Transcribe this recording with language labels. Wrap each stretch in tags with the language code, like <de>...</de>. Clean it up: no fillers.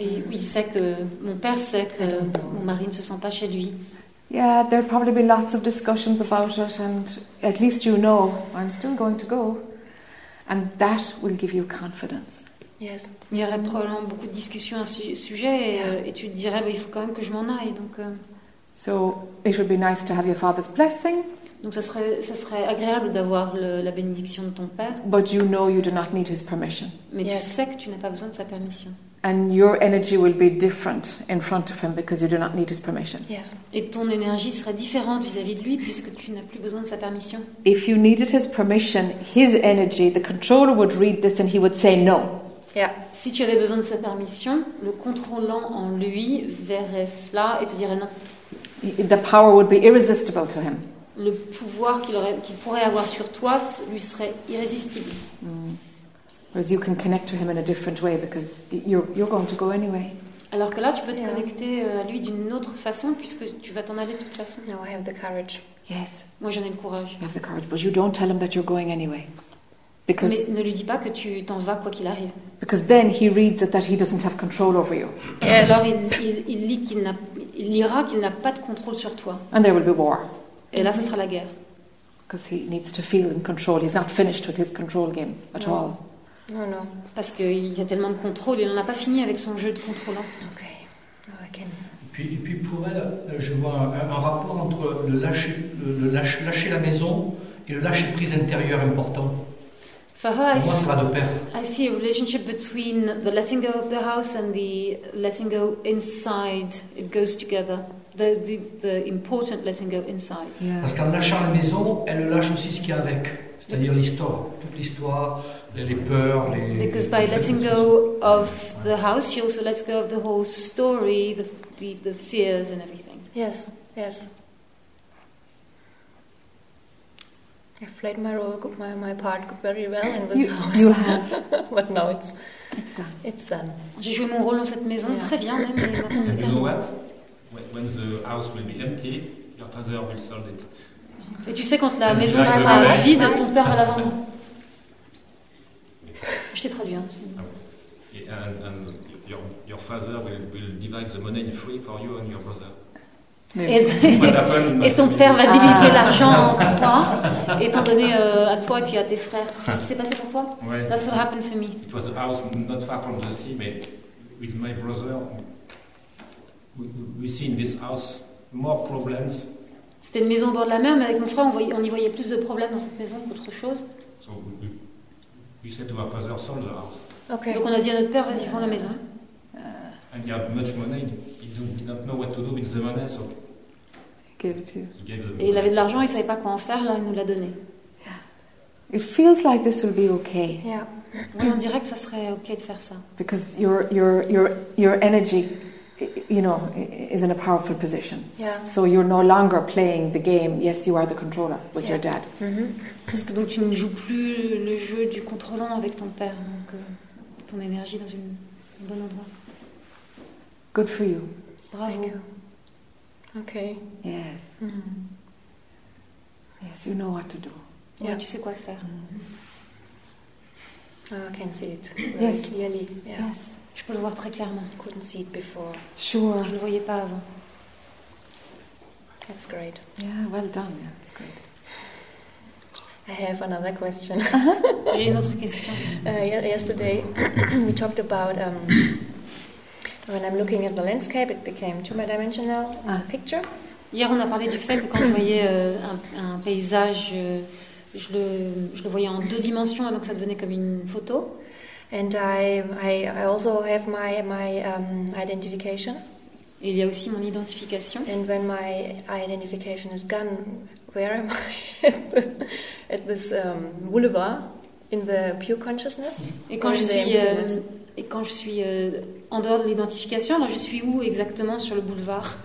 <fr>Et il sait que mon père sait que mon mari ne se sent pas chez lui.</fr> <en>Yeah, there'll probably be lots of discussions about it, and at least you know I'm still going to go. And that will give you confidence. Yes.</en> <fr>Il y aurait probablement beaucoup de discussions à ce sujet, et tu te dirais, mais il faut quand même que je m'en aille. Donc,</fr> <en>So it would be nice to have your father's blessing.</en> <fr>Donc ça serait agréable d'avoir la bénédiction de ton père.</fr> <en>But you know you do not need his permission.</en> <fr>Mais yes. Tu sais que tu n'as pas besoin de sa permission.</fr> <en>And your energy will be different in front of him because you do not need his permission. Yes.</en> <fr>Et ton énergie sera différente vis-à-vis de lui puisque tu n'as plus besoin de sa permission.</fr> <en>If you needed his permission, his energy, the controller would read this and he would say no. Yeah.</en> <fr>Si tu avais besoin de sa permission, le contrôlant en lui verrait cela et te dirait non.</fr> <en>The power would be irresistible to him.</en> <fr>Le pouvoir qu'il pourrait avoir sur toi lui serait irrésistible. Mm.</fr> <en>Whereas you can connect to him in a different way because you're going to go anyway.</en> <fr>Alors que là, tu peux te connecter à lui d'une autre façon puisque tu vas t'en aller de toute façon.</fr> <en>No, I have the courage. Yes.</en> <fr>Moi, j'en ai le courage.</fr> <en>You have the courage, but you don't tell him that you're going anyway.</en> <fr>Because Mais ne lui dis pas que tu t'en vas quoi qu'il arrive.</fr> <en>Because then he reads that he doesn't have control over you. Yes.</en> <fr>Alors il lira qu'il n'a pas de contrôle sur toi.</fr> <en>And there will be war.</en> <fr>Et là, ce sera la guerre.</fr> <en>Because he needs to feel in control. He's not finished with his control game at all.</en> <fr>Non, non, parce qu'il y a tellement de contrôle, il n'en a pas fini avec son jeu de contrôlant.</fr> <en>Ok.</en> <fr>Et puis pour elle, je vois un rapport entre le lâcher la maison et le lâcher prise intérieure important.</fr> <en>For her,</en> <fr>pour moi, ça va de pair.</fr> <en>I see a relationship between the letting go of the house and the letting go inside. It goes together. The important letting go inside. Yeah.</en> <fr>Parce qu'en lâchant la maison, elle lâche aussi ce qu'il y a avec, c'est-à-dire l'histoire, toute l'histoire. Les peurs,</fr> <en>because by letting go of the house, she also lets go of the whole story, the fears and everything. Yes, yes. I've played my role, my part very well in this house. You have. But now it's done. It's done.</en> <fr>J'ai joué mon rôle dans cette maison très bien, même.</fr> <en>You know what? When the house will be empty, your father will sell it.</en> <fr>Et tu sais, quand la maison sera vide, ton père va la vendre. Je t'ai traduit. Hein. Okay.</fr> <en>And your father will divide the money in three for you and your brother.</en> <fr>Et ton père va diviser l'argent en trois, étant donné à toi et puis à tes frères. C'est ce qui s'est passé pour toi. Ouais.</fr> <en>That's what happened for me. It was a house not far from the sea, but with my brother, we see in this house more problems.</en> <fr>C'était une maison au bord de la mer, mais avec mon frère, on y voyait plus de problèmes dans cette maison qu'autre chose.</fr> <en>So, you said to our father, sell the house. Okay.</en> <fr>Donc on a dit à notre père, vas-y, vends la maison.</fr> <en>And he had much money. He did not know what to do with the money, so... He gave it to you.</en> <fr>Et il avait de l'argent, il ne savait pas quoi en faire, là, il nous l'a donné.</fr> <en>It feels like this will be okay. Yeah.</en> <fr>Oui, on dirait que ça serait okay de faire ça.</fr> <en>Because your energy, you know, is in a powerful position. Yeah. So you're no longer playing the game. Yes, you are the controller with your dad. Mm-hmm.</en> <fr>Parce que donc tu ne joues plus le jeu du contrôlant avec ton père. Donc ton énergie dans un bon endroit.</fr> <en>Good for you.</en> <fr>Bravo.</fr> <en>You. Okay. Yes. Mm-hmm. Yes, you know what to do.</en> <fr>Yeah. Ouais, tu sais quoi faire.</fr> <en>Mm-hmm. Oh, I can see it. Yes. Clearly. Yeah. Yes.</en> <fr>Je peux le voir très clairement.</fr> <en>Couldn't see it before. Sure.</en> <fr>Je ne le voyais pas avant.</fr> <en>That's great. Yeah, well done. Yeah, that's great. I have another question.</en> <fr>J'ai une autre question.</fr> <en>Yesterday, we talked about when I'm looking at the landscape, it became two-dimensional picture.</en> <fr>Hier, on a parlé du fait que quand je voyais un paysage, je le voyais en deux dimensions, et donc ça devenait comme une photo.</fr> <en>And I also have my identification.</en> <fr>Et il y a aussi mon identification.</fr> <en>And when my identification is gone, where am I? At this boulevard in the pure consciousness?</en> <fr>Et quand je suis en dehors de l'identification, alors je suis où exactement sur le boulevard?</fr>